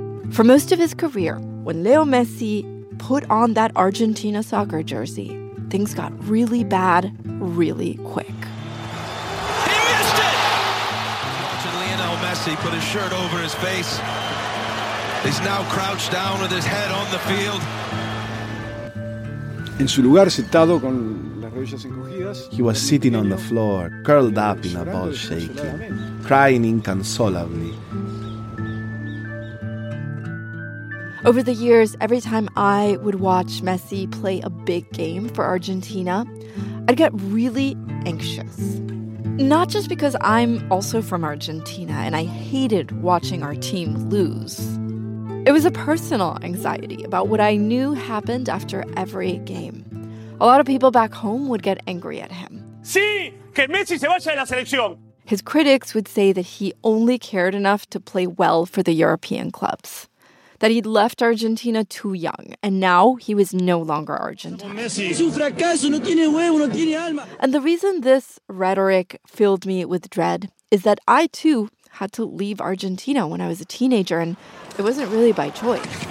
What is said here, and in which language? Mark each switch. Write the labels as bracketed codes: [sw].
[en] For most of his career, when Leo Messi put on that Argentina soccer jersey, things got really bad, really quick. He missed it! Watching Lionel Messi put his shirt over his face. He's now crouched down with his head on the field. [es] En su lugar sentado con las rodillas encogidas. [en] He was sitting on the floor, curled up in a ball, shaking, crying inconsolably. Over the years, every time I would watch Messi play a big game for Argentina, I'd get really anxious. Not just because I'm also from Argentina and I hated watching our team lose. It was a personal anxiety about what I knew happened after every game. A lot of people back home would get angry at him. [es] Sí, que Messi se vaya de la selección. [en] His critics would say that he only cared enough to play well for the European clubs. That he'd left Argentina too young, and now he was no longer Argentine. And the reason this rhetoric filled me with dread is that I, too, had to leave Argentina when I was a teenager, and it wasn't really by choice.